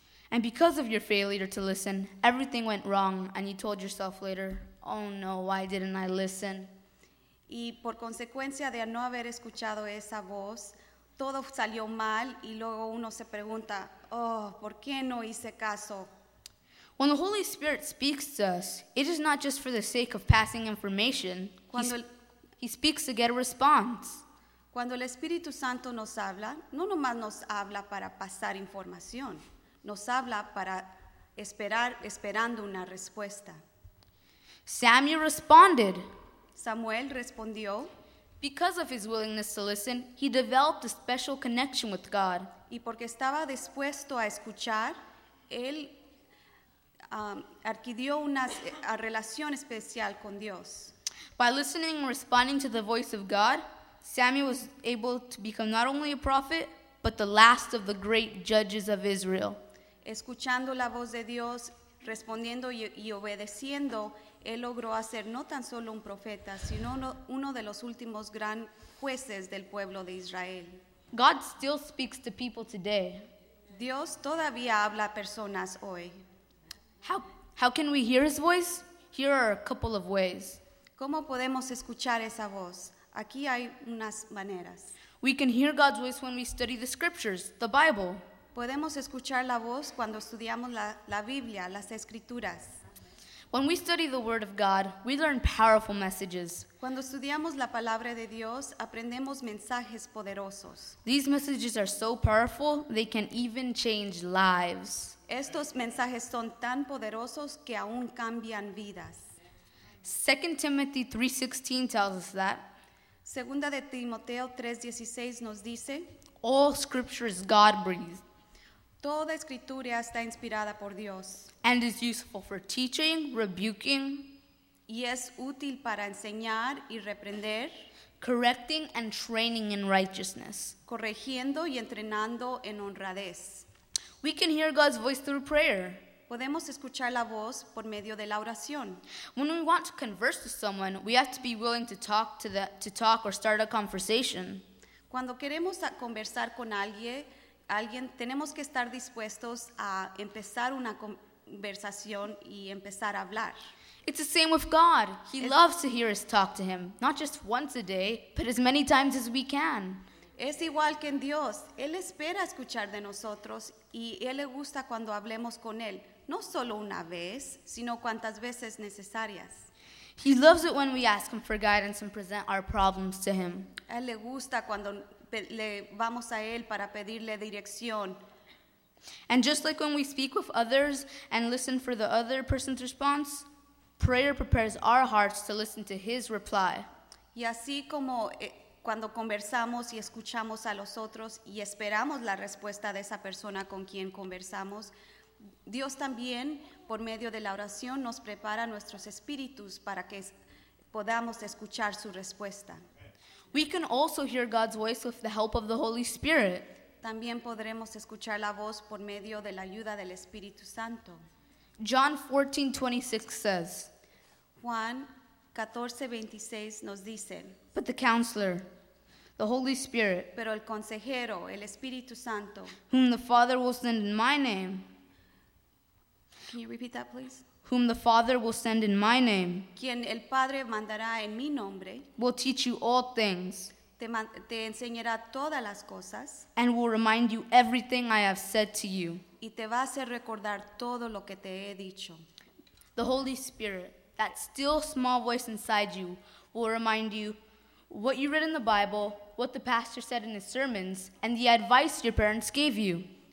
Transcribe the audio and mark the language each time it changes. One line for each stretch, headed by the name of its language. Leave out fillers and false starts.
English: And because of your failure to listen, everything went wrong, and you told yourself later, oh no, why didn't I listen?
Spanish: Y por consecuencia de no haber escuchado esa voz, todo salió mal y luego uno se pregunta, oh, ¿por qué no hice caso?
English: When the Holy Spirit speaks to us, it is not just for the sake of passing information. He speaks to get a response.
Spanish: Cuando el Espíritu Santo nos habla, no nomás nos habla para pasar información. Nos habla para esperando una respuesta.
English: Samuel responded.
Spanish: Samuel respondió.
English: Because of his willingness to listen, he developed a special connection with God.
Spanish: Y porque estaba dispuesto a escuchar, él adquirió una relación especial con Dios.
English: By listening and responding to the voice of God, Samuel was able to become not only a prophet, but the last of the great judges of Israel.
Spanish: Escuchando la voz de Dios, respondiendo y obedeciendo, él logró hacer no tan solo un profeta, sino uno de los últimos gran jueces del pueblo de Israel.
English: God still speaks to people today.
Spanish: Dios todavía habla a personas hoy.
English: How can we hear his voice? Here are a couple of ways.
Spanish: ¿Cómo podemos escuchar esa voz? Aquí hay unas maneras.
English: We can hear God's voice when we study the scriptures, the Bible.
Spanish: Podemos escuchar la voz cuando estudiamos la Biblia, las escrituras.
English: When we study the Word of God, we learn powerful messages.
Spanish: Cuando estudiamos la palabra de Dios, aprendemos mensajes poderosos.
English: These messages are so powerful, they can even change lives.
Spanish: Estos mensajes son tan poderosos que aún cambian vidas.
English: 2 Timothy 3:16 tells us that.
Spanish: Segunda de Timoteo 3:16 nos dice,
English: all scripture is God-breathed.
Spanish: Toda escritura está inspirada por Dios.
English: And is useful for teaching, rebuking.
Spanish: Y es útil para enseñar y reprender.
English: Correcting and training in righteousness.
Spanish: Corrigiendo y entrenando en honradez.
English: We can hear God's voice through prayer.
Spanish: Podemos escuchar la voz por medio de la oración.
English: When we want to converse with someone, we have to be willing to talk to the to talk or start a conversation.
Spanish: Cuando queremos conversar con alguien, tenemos que estar dispuestos a empezar una conversación y empezar a hablar.
English: It's the same with God. He loves to hear us talk to Him, not just once a day, but as many times as we can.
Spanish: Es igual que en Dios. Él espera escuchar de nosotros y Él le gusta cuando hablemos con Él, no solo una vez, sino cuantas veces necesarias.
English: He loves it when we ask Him for guidance and present our problems to Him.
Spanish: Él le gusta cuando le vamos a Él para pedirle dirección.
English: And just like when we speak with others and listen for the other person's response, prayer prepares our hearts to listen to His reply.
Spanish: Y así como cuando conversamos y escuchamos a los otros y esperamos la respuesta de esa persona con quien conversamos, Dios también, por medio de la oración, nos prepara nuestros espíritus para que podamos escuchar su respuesta.
English: We can also hear God's voice with the help of the Holy Spirit.
Spanish: También podremos escuchar la voz por medio de la ayuda del Espíritu Santo.
English: John 14:26 says,
Spanish: Juan 14:26 nos dice,
English: but the counselor, the Holy Spirit,
Spanish: pero el consejero, el Espíritu Santo,
English: whom the Father will send in my name, can you repeat that please? Whom the Father will send in my name,
Spanish: quien el Padre mandará en mi nombre,
English: will teach you all things,
Spanish: te enseñará todas las cosas,
English: and will remind you everything I have said to you,
Spanish: y te va a hacer recordar todo lo que te he dicho.
English: The Holy Spirit, that still small voice inside you, will remind you what you read in the Bible, what the pastor said in his sermons, and the advice your parents gave you.